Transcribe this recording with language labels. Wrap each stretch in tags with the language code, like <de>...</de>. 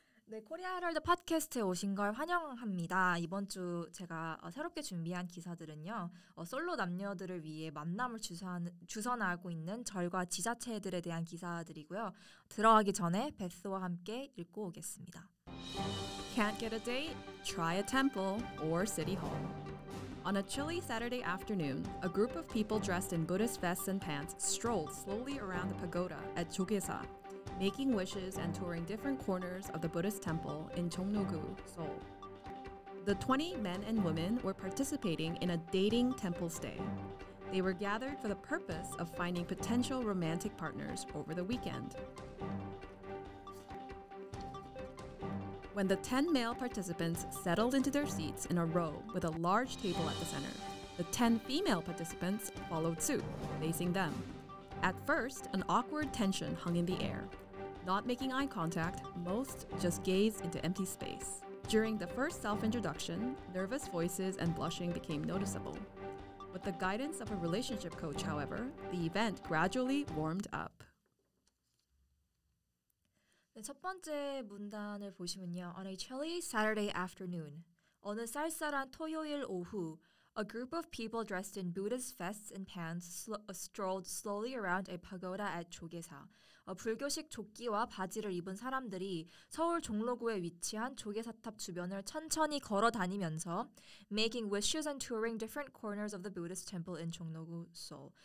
<ko>네, 코리아 헤럴드 팟캐스트에 오신 걸 환영합니다. 이번 주 제가 새롭게 준비한 기사들은요. 솔로 남녀들을 위해 만남을 주선하고 있는 절과 지자체들에 대한 기사들이고요. 들어가기 전에 베스와 함께 읽고 오겠습니다.</ko> <en>Can't get a date? Try a temple or city hall. On a chilly Saturday afternoon, a group of people dressed in Buddhist vests and pants strolled slowly around the pagoda at Jogesa. Making wishes and touring different corners of the Buddhist temple in Jongno-gu, Seoul. The 20 men and women were participating in a dating temple stay. They were gathered for the purpose of finding potential romantic partners over the weekend. When the 10 male participants settled into their seats in a row with a large table at the center, the 10 female participants followed suit, facing them. At first, an awkward tension hung in the air. Not making eye contact, most just gazed into empty space. During the first self-introduction, nervous voices and blushing became noticeable. With the guidance of a relationship coach, however, the event gradually warmed up.</en> <ko>네, 첫 번째 문단을 보시면요.</ko> <en>On a chilly Saturday afternoon,</en> <ko>어느 쌀쌀한 토요일 오후,</ko> <en>a group of people dressed in Buddhist vests and pants strolled slowly around a pagoda at Jogesa.</en> <ko>불교식 조끼와 바지를 입은 사람들이 서울 종로구에 위치한 조계사탑 주변을 천천히 걸어 다니면서</ko> <en>making wishes and touring different corners of the Buddhist temple in</en> <ko>종로구 Seoul.</ko>